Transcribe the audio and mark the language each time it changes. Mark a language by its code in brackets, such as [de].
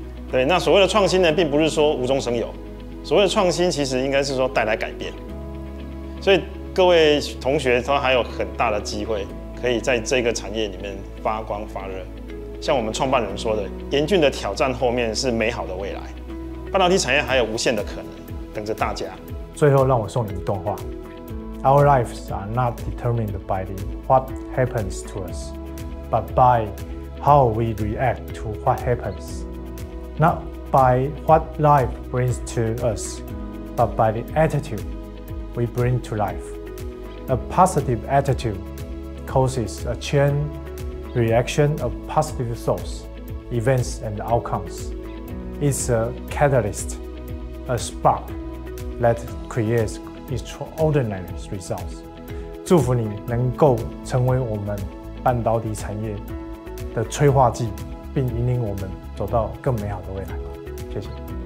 [zh] 对，那所谓的创新呢，并不是说无中生有，所谓的创新其实应该是说带来改变。所以各位同学都还有很大的机会可以在这个产业里面发光发热。像我们创办人说的，严峻的挑战后面是美好的未来，半导体产业还有无限的可能等着大家。最后让我送你一段话， [en] Our lives are not determined by what happens to us, but by how we react to what happens. Not by what life brings to us, but by the attitude we bring to life. A positive attitude causes a chain reaction of positive thoughts, events and outcomes. It's a catalyst, a spark that creates extraordinary results. [zh] 祝福你能够成为我们半导体产业的催化剂，并引领我们走到更美好的未来。谢谢。